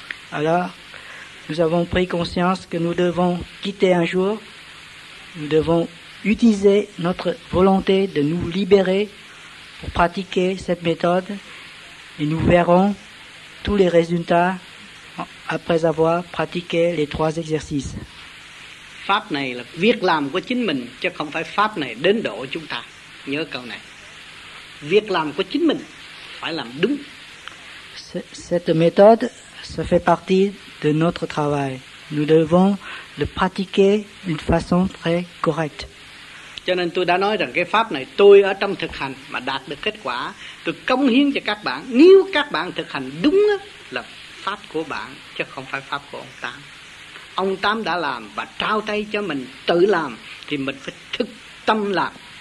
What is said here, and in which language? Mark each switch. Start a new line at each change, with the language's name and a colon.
French: Alors, nous avons pris conscience que nous devons quitter un jour, nous devons utiliser notre volonté de nous libérer pour pratiquer cette méthode et nous verrons tous les résultats après avoir pratiqué les trois exercices.
Vietnamese: Pháp này là việc làm của chính mình chứ không phải pháp này đến độ chúng ta. Nhớ câu này. Việc làm của chính mình phải làm đúng.
French: Cette méthode se fait partie de notre travail. Nous devons le pratiquer d'une façon très correcte.
Vietnamese: Cho nên tôi đã nói rằng cái pháp này tôi ở trong thực hành mà đạt được kết quả, tôi cống hiến cho các bạn. Nếu các bạn thực hành đúng là pháp của bạn chứ không phải pháp của ông Tám. Ông Tám đã làm và trao tay cho mình tự làm thì mình phải thực tâm làm.